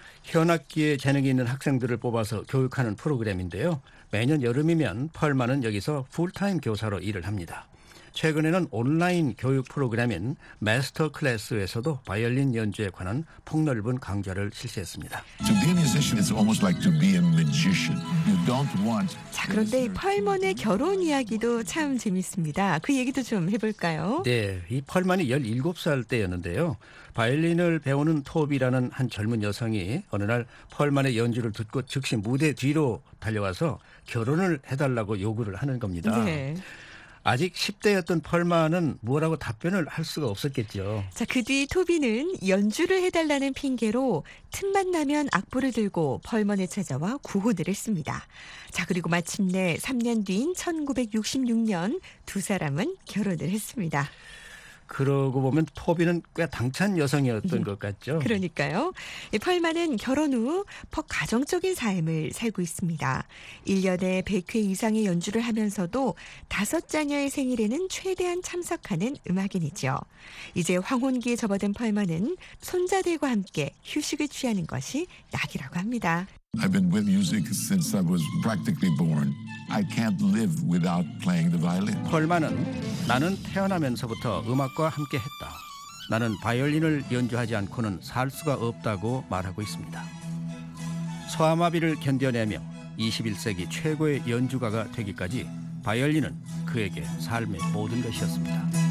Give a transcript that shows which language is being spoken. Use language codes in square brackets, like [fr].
[ko] 현악기에 재능이 있는 학생들을 뽑아서 교육하는 프로그램인데요. 매년 여름이면 펄먼은 여기서 풀타임 교사로 일을 합니다. 최근에는 온라인 교육 프로그램인 마스터 클래스에서도 바이올린 연주에 관한 폭넓은 강좌를 실시했습니다. [en] To be a musician is almost like to be a magician. You don't want. [ko] 자, 그런데 이 펄먼의 결혼 이야기도 참 재밌습니다. 그 얘기도 좀 해볼까요? 네, 이 펄먼이 17살 때였는데요. 바이올린을 배우는 토비라는 한 젊은 여성이 어느 날 펄먼의 연주를 듣고 즉시 무대 뒤로 달려와서 결혼을 해달라고 요구를 하는 겁니다. 네. 아직 10대였던 펄만은 뭐라고 답변을 할 수가 없었겠죠. 자, 그 뒤 토비는 연주를 해달라는 핑계로 틈만 나면 악보를 들고 펄만에 찾아와 구호를 했습니다. 자, 그리고 마침내 3년 뒤인 1966년 두 사람은 결혼을 했습니다. 그러고 보면 토비는 꽤 당찬 여성이었던 것 같죠. 그러니까요. 펄만은 결혼 후 퍽 가정적인 삶을 살고 있습니다. 1년에 100회 이상의 연주를 하면서도 다섯 자녀의 생일에는 최대한 참석하는 음악인이죠. 이제 황혼기에 접어든 펄만은 손자들과 함께 휴식을 취하는 것이 낙이라고 합니다. [en] I've been with music since I was practically born. I can't live without playing the violin. [ko] 펄만은 나는 태어나면서부터 음악과 함께 했다. 나는 바이올린을 연주하지 않고는 살 수가 없다고 말하고 있습니다. 소아마비를 견뎌내며 21세기 최고의 연주가가 되기까지 바이올린은 그에게 삶의 모든 것이었습니다.